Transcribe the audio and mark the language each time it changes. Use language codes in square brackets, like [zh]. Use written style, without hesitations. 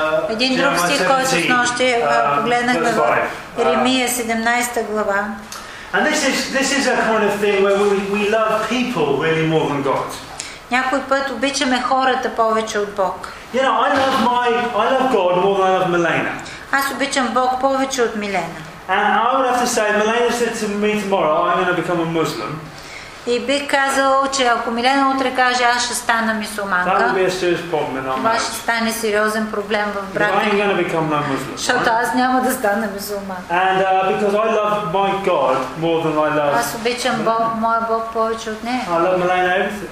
[bg] Един друг стих, който с нощи погледнахме в Еремия 17 глава. [en] And this is a kind of thing where we love people really more than God. [bg] Някой път обичаме хората повече от Бог. [en] I love God more than I love Milena. [bg] Аз обичам Бог повече от Милена. [en] And I would have to say, Milena said to me tomorrow, I'm going to become a Muslim. [bg] И бих казал, че ако Милена утре каже, аз ще стана мюсюлманка, това ще стане сериозен проблем в брака. Защото аз няма да стана мюсюлманка. Аз обичам Бог, моя Бог повече от нея.